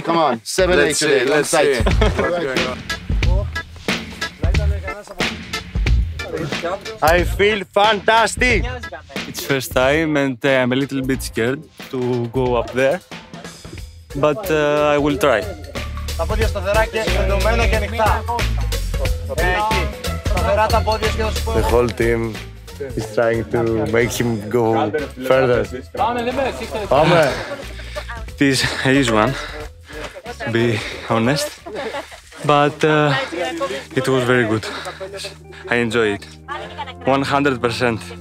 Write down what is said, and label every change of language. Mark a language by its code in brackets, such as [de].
[en] Come on, 7 days today. Let's see. Let's see. I feel fantastic. It's first time, and I'm a little bit scared to go up there, but I will try. [el] Τα πόδια σταθερά και συντομένα και ανοιχτά. Σταθερά τα πόδια και να σου πω. [en] The whole team is trying to make him go further. Πάμε. This is one, to be honest. But it was very good. I enjoyed it. 100%.